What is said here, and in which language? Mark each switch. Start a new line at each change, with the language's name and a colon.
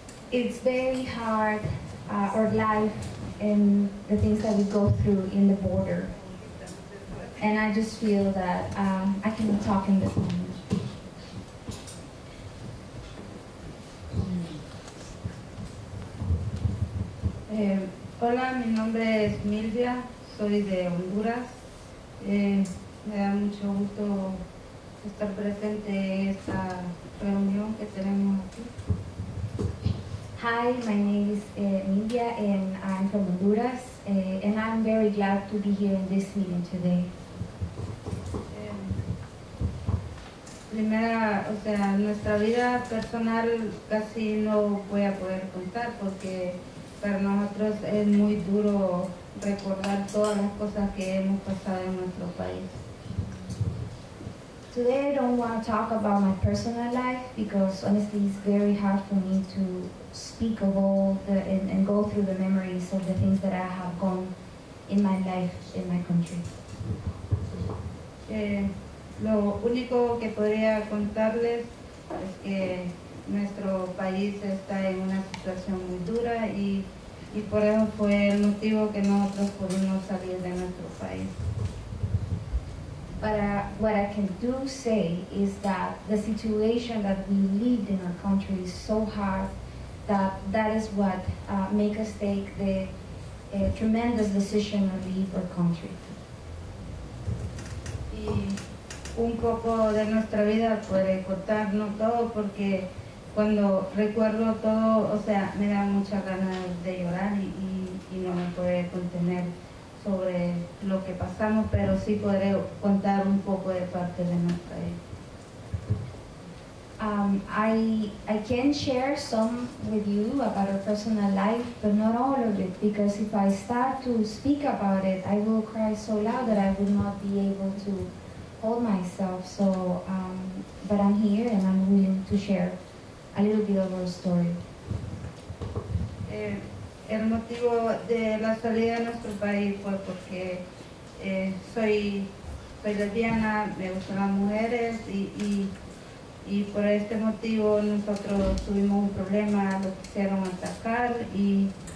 English: it's very hard, our life and the things that we go through in the border. And I just feel that I cannot talk in this language.
Spanish: Hola, mi nombre es Milvia, soy de Honduras. Me da mucho gusto estar presente en esta reunión que tenemos aquí.
English: Hi, my name is Mindia, and I'm from Honduras, and I'm very glad to be here in this meeting today.
Spanish: Primera, o sea, nuestra vida personal casi no voy a poder contar porque para nosotros es muy duro recordar todas las cosas que hemos pasado en nuestro país.
English: Today I don't want to talk about my personal life because honestly it's very hard for me to speak of all the, and go through the memories of the things that I have gone in my life in my country.
Spanish: Lo único que podría contarles es que nuestro país está en una situación muy dura y por eso fue el motivo que nosotros pudimos salir de nuestro país.
English: But what I can do say is that the situation that we lived in our country is so hard that is what make us take the tremendous decision to leave our country.
Spanish: Y un poco de nuestra vida puede contar, no todo, porque cuando recuerdo todo, o sea, me da mucha ganas de llorar y no me puede contener sobre lo que pasamos, pero sí podré contar un poco de parte de nuestra vida.
English: I can share some with you about our personal life, but not all of it, because if I start to speak about it, I will cry so loud that I will not be able to hold myself. So, but I'm here and I'm willing to share a little bit of our story.
Spanish: El motivo de la salida de nuestro país fue porque soy lesbiana, me gustan las mujeres y por este motivo nosotros tuvimos un problema, lo quisieron atacar y